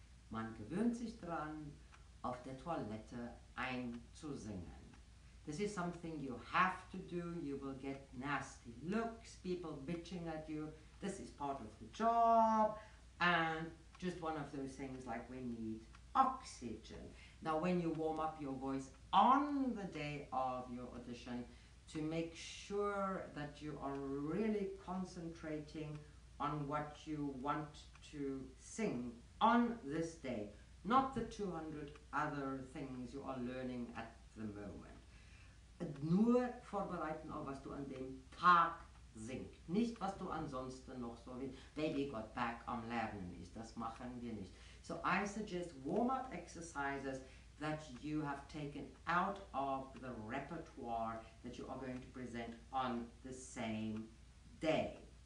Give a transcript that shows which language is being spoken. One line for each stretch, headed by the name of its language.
German: Man gewöhnt sich dran, auf der Toilette einzusingen.
English: This is something you have to do. You will get nasty looks, people bitching at you. This is part of the job. And just one of those things, like, we need oxygen. Now, when you warm up your voice on the day of your audition, to make sure that you are really concentrating on what you want to sing on this day, not the 200 other things you are learning at the moment.
German: Nur vorbereiten auf was du an dem Tag singt, nicht was du ansonsten noch so wie
English: Baby got back
German: am Lernen ist. Das machen wir nicht.
English: So I suggest warm-up exercises that you have taken out of the repertoire that you are going to present on the same day.